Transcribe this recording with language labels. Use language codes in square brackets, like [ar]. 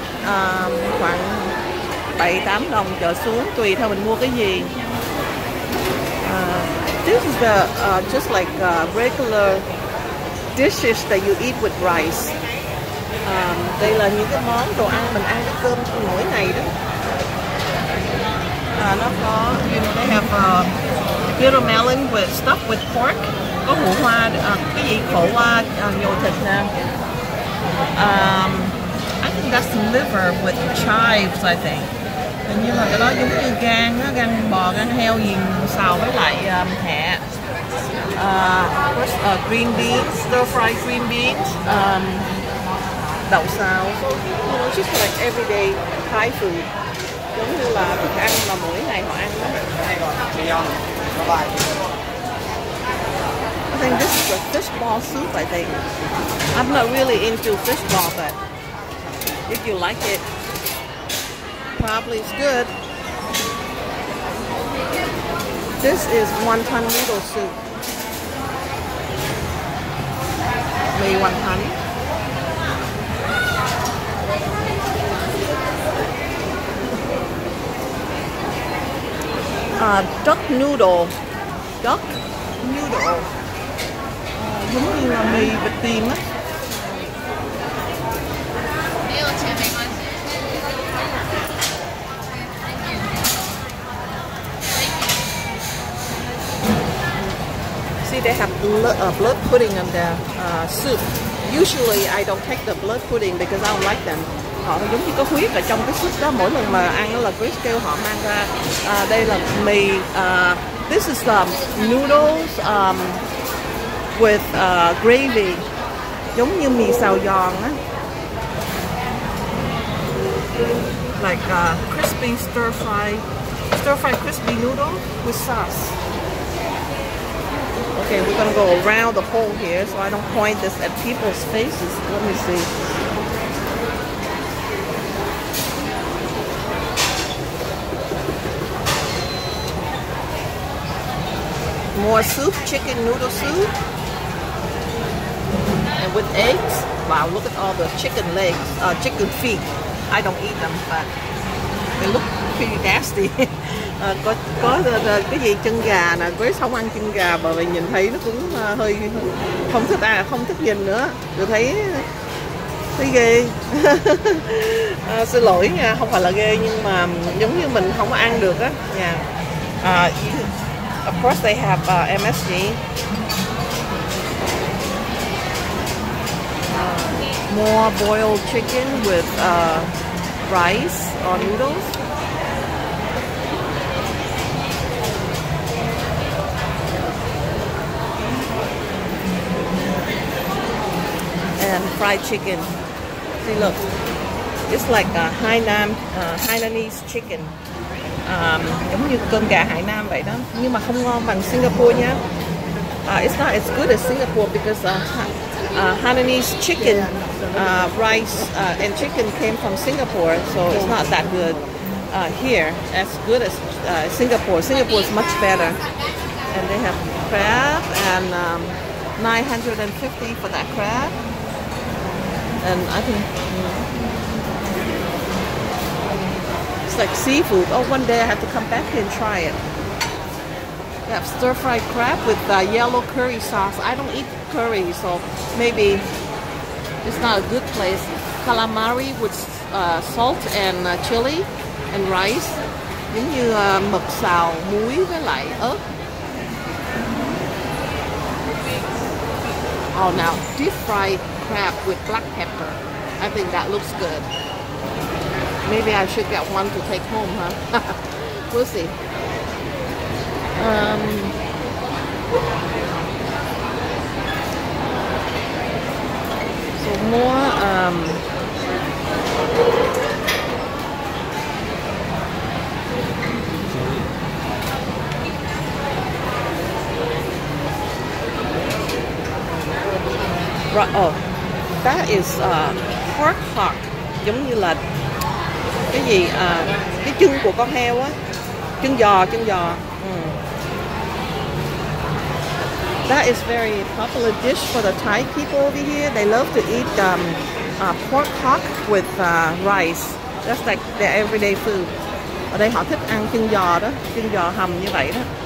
[vi] Khoảng 7-8 đồng trở xuống, tùy theo mình mua cái gì. [en] This is the just like regular dishes that you eat with rice. [vi] Đây là những cái món đồ ăn mình ăn cái cơm mỗi ngày đó. Nó có, [en] you know, they have little melon with stuffed with pork. [vi] Có hủ hoa, cái gì khổ hoa nhồi thịt nè. [en] I think that's liver with chives, I think. [vi] Hình như là cái đó giống như gan á, gan bò, gan heo gì xào với lại thẻ. [en] Green beans, stir fried green beans, đậu xào. So, you know, just like everyday Thai food. [vi] Giống như là thức ăn mà mỗi ngày họ ăn đó. [en] I think this is a fish ball soup, I think. I'm not really into fish ball, but if you like it, probably it's good. This is wonton noodle soup. [vi] Mì wonton. [en] Duck noodle. Duck noodle. [vi] Giống như là mì vịt tiềm á. [en] See, they have blood pudding on their soup. Usually, I don't take the blood pudding because I don't like them. [vi] Họ giống như có huyết ở trong cái soup đó. Mỗi lần mà ăn là Chris kêu họ mang ra. Đây là mì. [en] This is noodles with gravy. [vi] Giống như mì xào giòn á. [en] Like crispy stir-fried crispy noodle with sauce. Okay, we're gonna go around the hole here so I don't point this at people's faces. Let me see. More soup, chicken noodle soup. And with eggs. Wow, look at all the chicken legs, chicken feet. I don't eat them, but they look pretty nasty. [vi] có cái gì chân gà nè, với không ăn chân gà bởi vì nhìn thấy nó cũng hơi không thích không thích nhìn nữa. Được thấy ghê. xin lỗi nha, không phải là ghê nhưng mà giống như mình không có ăn được á. [en] Yeah. Of course they have MSG. More boiled chicken with rice or noodles. fried chicken. See, look, it's like a Hainan, Hainanese chicken. [vi] Giống như cơm gà Hải Nam vậy đó, nhưng mà không ngon bằng Singapore nha. [en] It's not as good as Singapore because Hainanese chicken rice and chicken came from Singapore, so it's not that good here as good as Singapore. Singapore is much better, and they have crab and 950 for that crab, and I think. Like seafood. Oh, one day I have to come back here and try it. They have stir-fried crab with yellow curry sauce. I don't eat curry, so maybe it's not a good place. Calamari with salt and chili and rice. [vi] Giống như mực xào muối với lại ớt. [en] Oh, now deep-fried crab with black pepper. I think that looks good. Maybe I should get one to take home, huh? We'll see. So more that is pork hock, [vi] giống như là cái gì cái chân của con heo á, chân giò. [en] That is very popular dish for the Thai people over here. They love to eat pork hock with rice. That's like their everyday food. [vi] Ở đây họ thích ăn chân giò đó, chân giò hầm như vậy đó.